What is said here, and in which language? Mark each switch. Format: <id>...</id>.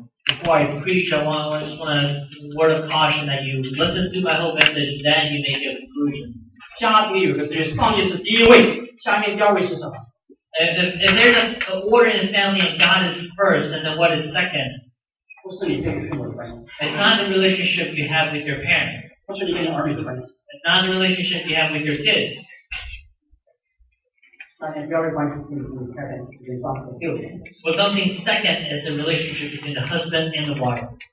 <en>Before I preach, I want to just want a word of caution that you listen to my whole message, then you make your conclusion.</en> <zh>家庭有个秩序，上帝是第一位，下面第二位是什么？</zh> <en>If there's an order in the family and God is first, and then what is second? It's not the relationship you have with your parents. It's not the relationship you have with your kids. Well, something second is the relationship between the husband and the wife.</en>